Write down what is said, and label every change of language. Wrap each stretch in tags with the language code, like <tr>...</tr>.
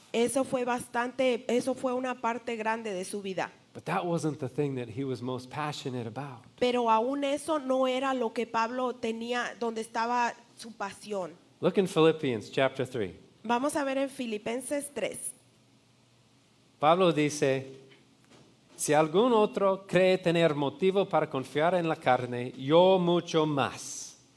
<es>Eso fue una parte grande de su vida.</es> <en>But that wasn't the thing that he was most passionate about.</en> <es>Pero aún eso no era lo que Pablo tenía, donde estaba su pasión.</es> <en>Look in Philippians chapter 3.</en> <es>Vamos a ver en Filipenses 3. Pablo dice, si algún otro cree tener motivo para confiar en la carne, yo mucho más.</es>